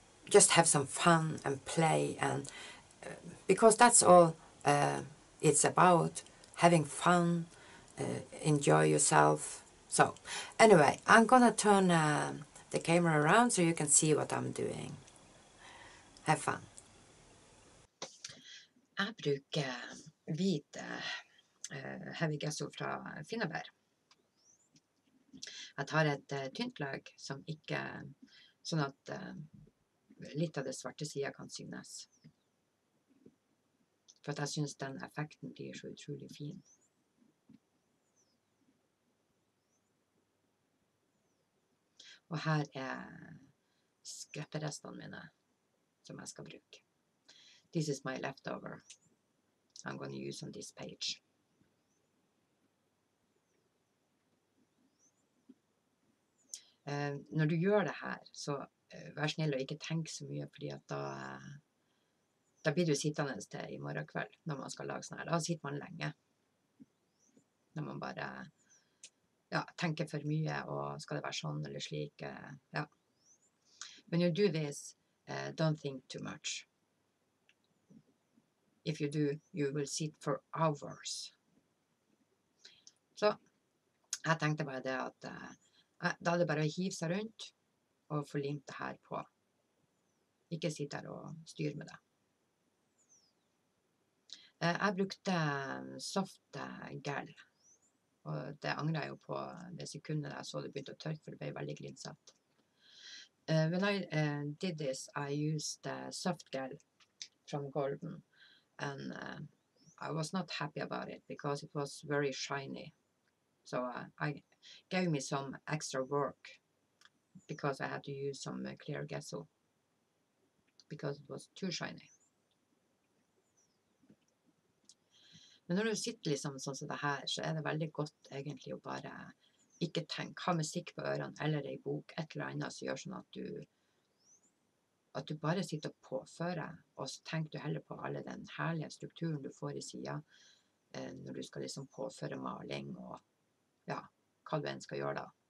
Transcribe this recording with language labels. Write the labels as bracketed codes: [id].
[en] Just have some fun and play. And because that's all it's about, having fun, enjoy yourself. So, anyway, I'm gonna turn the camera around so you can see what I'm doing. Have fun. [no] Jeg bruker hvit hevigesso fra Finnebær. Jeg tar et tynt lag som ikke, sånn at litt av det svarte siden kan synes. For jeg synes den effekten blir så utrolig fin. Og her er skrepperestene mine som jeg skal bruke. [en] This is my leftover I'm going to use on this page. [no] Når du gjør det her, så vær snill og ikke tenk så mye, fordi at da blir du sittende til i morgen kveld når man skal lage sånn her. Da sitter man lenge. Når man bare... Ja, tenker for mye, og skal det være sånn eller slik, ja. [en] When you do this, don't think too much. If you do, you will sit for hours. [no] Så, jeg tenkte bare det at, da er det bare å hive seg rundt, og få limt det her på. Ikke sitte her og styr med det. Jeg brukte soft gel. Og det angrer jeg jo på det sekundet jeg så det begynte å tørke, for det ble veldig glinsatt. [en] When I did this, I used soft gel from Golden. And I was not happy about it, because it was very shiny. So I gave me some extra work, because I had to use some clear gesso, because it was too shiny. [no] Men når du sitter liksom sånn som det her, så er det veldig godt egentlig å bare ikke tenke, ha musikk på ørene eller en bok, et eller annet som gjør sånn at du bare sitter og påfører, og så tenker du heller på alle den herlige strukturen du får i siden, når du skal liksom påføre maling og ja, hva du enn skal gjøre da.